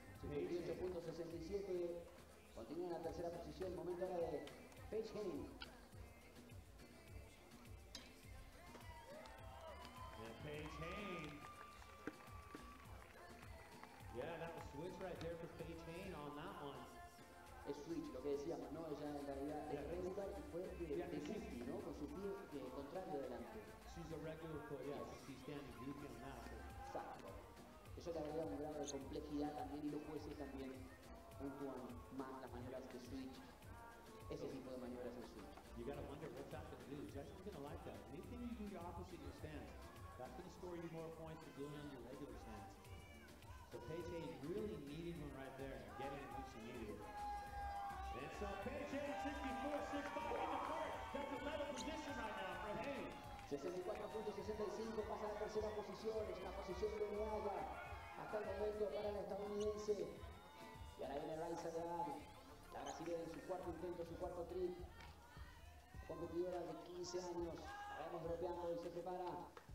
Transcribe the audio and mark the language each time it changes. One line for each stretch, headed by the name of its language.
Spanish: 58.67. Continúa en la tercera posición. Momento ahora de Paige Henning.
English: Yeah, Paige Henning. Yeah, that was switch right there for Paige Henning on that one.
Spanish: Es switch, lo que decíamos, ¿no? Ella en realidad es regular y fue de 50, ¿no? Con su pie de contrario adelante.
English: She's a regular foot, yeah, so she's standing goofy on that.
Spanish: Exacto. Eso le agrega un grado de complejidad también y los jueces también puntúan más las maniobras de switch. Ese tipo de maniobras de switch.
English: You gotta wonder what's happening to do. Judge is gonna like that. Anything you do your opposite your stance, that's gonna score you more points than doing on your regular stance. So Paige Hayes really needed one right there, getting what she needed. And so Paige Hayes, 64.65 in the cart. That's a better position right now for Hayes.
Spanish: 64.65 pasa a la tercera posición, es una posición premiada hasta el momento para la estadounidense. Y ahora viene Raisa de Ari, la brasileña en su cuarto intento, su cuarto trip. Competidora de 15 años, la vemos dropeando y se prepara.